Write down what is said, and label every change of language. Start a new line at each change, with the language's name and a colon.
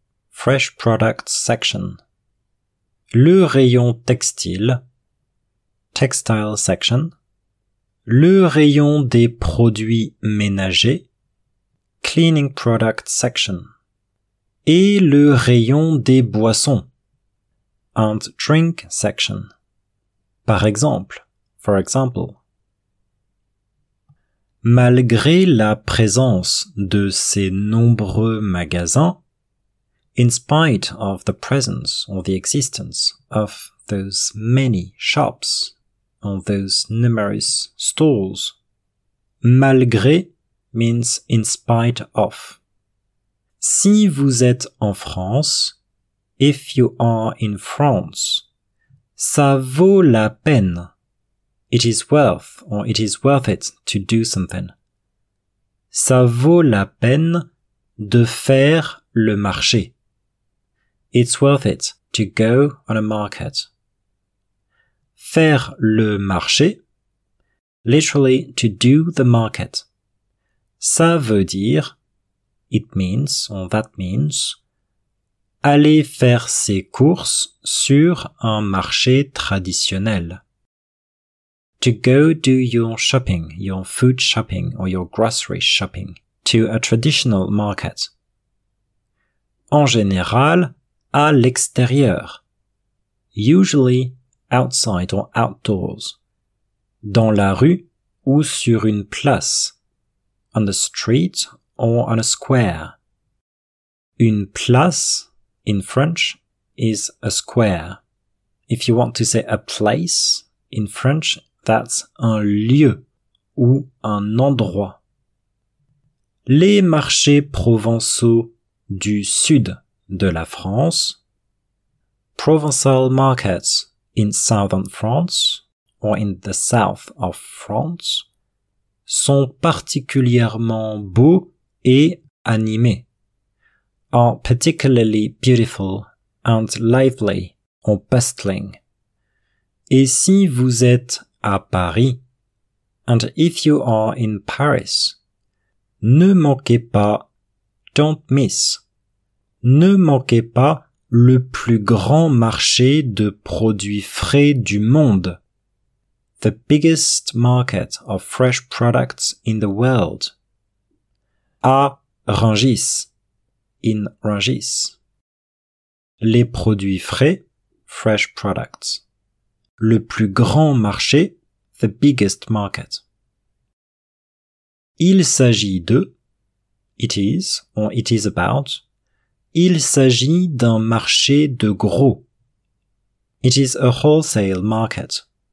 English: Fresh products section.
French: Le rayon textile.
English: Textile section.
French: Le rayon des produits ménagers.
English: Cleaning product section.
French: Et le rayon des boissons.
English: And drink section.
French: Par exemple.
English: For example.
French: Malgré la présence de ces nombreux magasins,
English: in spite of the presence or the existence of those many shops or those numerous stalls, malgré means in spite of.
French: Si vous êtes en France,
English: if you are in France,
French: ça vaut la peine.
English: It is worth or it is worth it to do something.
French: Ça vaut la peine de faire le marché.
English: It's worth it to go on a market.
French: Faire le marché,
English: literally to do the market.
French: Ça veut dire,
English: it means, or that means,
French: aller faire ses courses sur un marché traditionnel.
English: To go do your shopping, your food shopping, or your grocery shopping, to a traditional market.
French: En général, à l'extérieur.
English: Usually, outside or outdoors.
French: Dans la rue, ou sur une place.
English: On the street or on a square.
French: Une place,
English: in French, is a square. If you want to say a place, in French, that's
French: un lieu ou un endroit. Les marchés provençaux du sud de la France.
English: Provençal markets in southern France or in the south of France
French: sont particulièrement beaux et animés.
English: Are particularly beautiful and lively or bustling.
French: Et si vous êtes à Paris,
English: and if you are in Paris,
French: ne manquez pas,
English: don't miss,
French: ne manquez pas le plus grand marché de produits frais du monde,
English: the biggest market of fresh products in the world,
French: à Rungis,
English: in Rungis,
French: les produits frais,
English: fresh products,
French: le plus grand marché,
English: the biggest market.
French: Il s'agit de,
English: it is, or it is about,
French: il s'agit d'un marché de gros.
English: It is a wholesale market.